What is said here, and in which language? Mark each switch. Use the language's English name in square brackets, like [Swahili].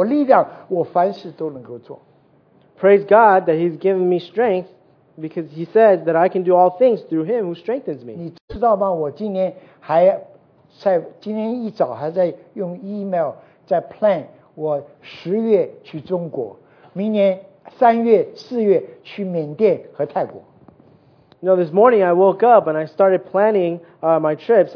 [Chinese] 感谢主，神赐给我们力量，反靠着我，加给我力量，我凡事都能够做。 [English] Praise God that He's given me strength, because He said that I can do all things through Him who strengthens me. [Chinese] 你知道吗？我今年还在今天一早还在用 email 在 plan 我10月去中国，明年3月、4月去缅甸和泰国。 [English] You know, this morning I woke up and I started planning my trips.